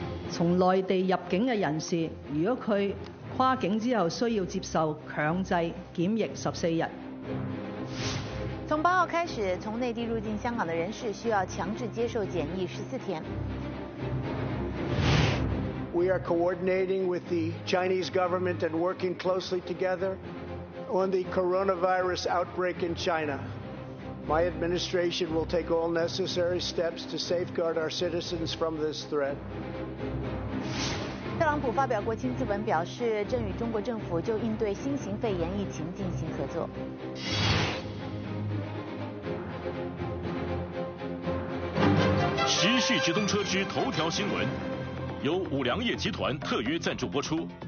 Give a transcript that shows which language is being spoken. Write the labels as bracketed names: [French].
[Chinese] 从内地入境的人士，如果他跨境之后需要接受强制检疫14日。从8号开始，从内地入境香港的人士需要强制接受检疫14天。 [English] We are coordinating with the Chinese government and working closely together on the coronavirus outbreak in China. My administration will take all necessary steps to safeguard our citizens from this threat. [Chinese] 特朗普发表国情咨文，表示正与中国政府就应对新型肺炎疫情进行合作。时事直通车之头条新闻，由五粮液集团特约赞助播出。